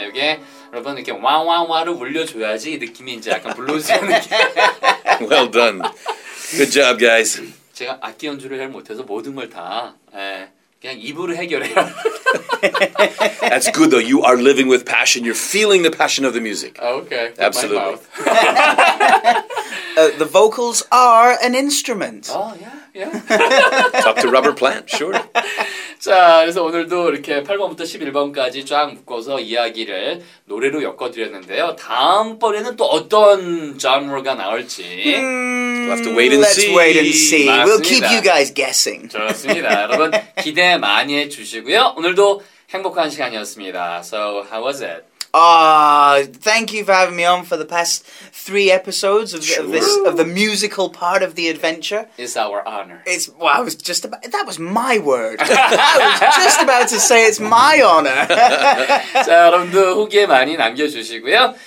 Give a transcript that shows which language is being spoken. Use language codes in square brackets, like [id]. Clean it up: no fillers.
[ko] 이게 여러분 이렇게 와와와를 울려줘야지 느낌이 이제 약간 블루스 느낌. [en] Well done. Good job, guys. [ko] 제가 악기 연주를 잘 못해서 모든 걸 다 그냥 입으로 해결해요. [en] That's good though. You are living with passion. You're feeling the passion of the music. Okay. Absolutely. My mouth. The vocals are an instrument. Oh yeah, yeah. Talk to rubber plant, sure. [ko] 자, 그래서 오늘도 이렇게 8번부터 11번까지 쫙 묶어서 이야기를 노래로 엮어드렸는데요. 다음번에는 또 어떤 장르가 나올지. [en] We'll have to wait and Let's see. Let's wait and see. [ko] 맞습니다. [en] We'll keep you guys guessing. [ko] 좋습니다. 여러분 기대 많이 해주시고요. 오늘도 행복한 시간이었습니다. [en] So how was it? Thank you for having me on for the past three episodes of, sure. of this of the musical part of the adventure. It's our honor. It's well, I was just about that was my word. I was just about to say it's my honor. [ko] 자, 여러분도 후기에 많이 남겨주시고요.